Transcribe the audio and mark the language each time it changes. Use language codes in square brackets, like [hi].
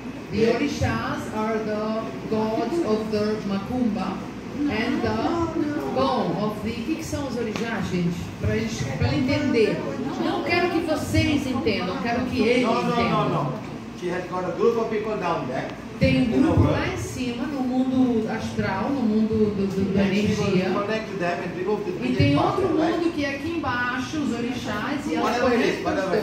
[en] The orishas are the gods of the macumba and the bone of the... [pt] O que, que são os orixás, gente? Para eles, para entender. Não quero que vocês entendam, quero que eles entendam. [en] No. She has got a group of people down there. [pt] Tem um grupo lá em cima, no mundo astral, no mundo da energia. E tem outro mundo que é aqui embaixo, os orixás, e ela conecta os dois.